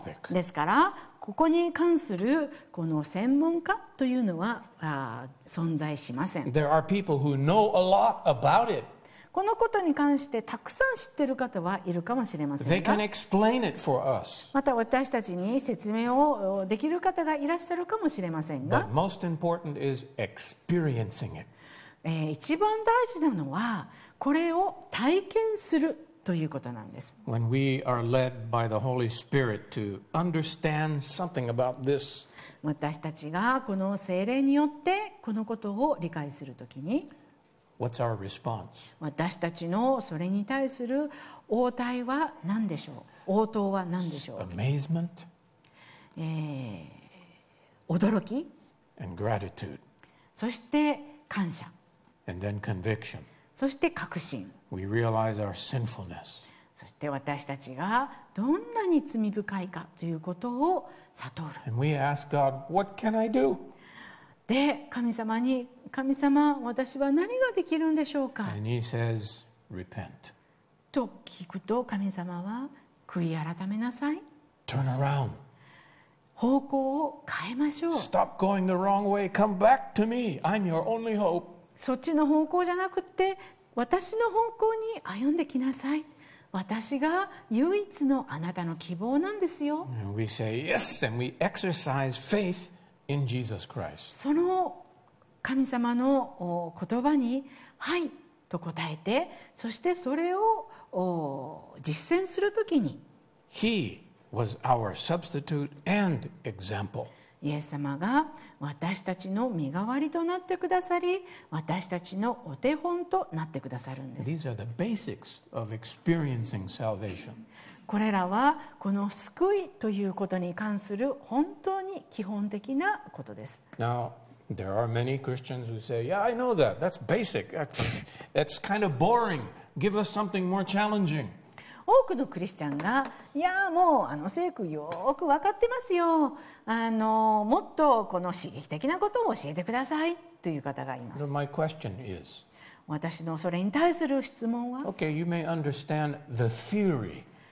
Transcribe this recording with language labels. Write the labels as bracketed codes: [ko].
[ja] ですから、ここに関するこの専門家というのは存在しません。 [en] There are people who know a lot about it. [ja] このことに関してたくさん知っている方はいるかもしれませんが。 [en] They can explain it for us. [ja] また私たちに説明をできる方がいらっしゃるかもしれませんが。 [en] But most important is experiencing it. [ja] 一番大事なのはこれを体験するということなんです。 [en] When we are led by the Holy Spirit to understand something about this, [ja] 私たちがこの聖霊によってこのことを理解するときに、 [en] What's our response? [ja] 私たちのそれに対する応対は何でしょう、応答は何でしょう。 [en] Amazement? [ja] 驚き、 [en] And gratitude. [ja] そして感謝、 [en] And then conviction. [ja] そして確信。 [en] We realize our sinfulness. [ja] そして私たちがどんなに罪深いかということを悟る。 [en] And we ask God, what can I do? [ja] で、神様に、神様、私は何ができるんでしょうか。 [en] And he says, repent. [ja] と聞くと神様は、悔い改めなさい。 [en] Turn around. [ja] 方向を変えましょう。 [en] Stop going the wrong way. Come back to me. I'm your only hope. [ja] そっちの方向じゃなくて私の方向に歩んできなさい。私が唯一のあなたの希望なんですよ。 [en] We say yes, and we exercise faith in Jesus Christ. [ja] その神様の言葉にはいと答えて、そしてそれを実践するときに、 [en] He was our substitute and example. [ja] イエス様が私たちの身代わりとなってくださり、私たちのお手本となってくださるんです。 [en] These are the basics of experiencing salvation. [ja] これらはこの救いということに関する本当に基本的なことです。 [en] Now, there are many Christians who say, Yeah, I know that. That's basic. That's kind of boring. Give us something more challenging. [ja] 多くのクリスチャンが、いやもうあの聖句よく分かってますよ、もっとこの刺激的なことを教えてくださいという方がいます。 [en] My question is, [ja] 私のそれに対する質問は、 [en] Okay, you may understand the theory.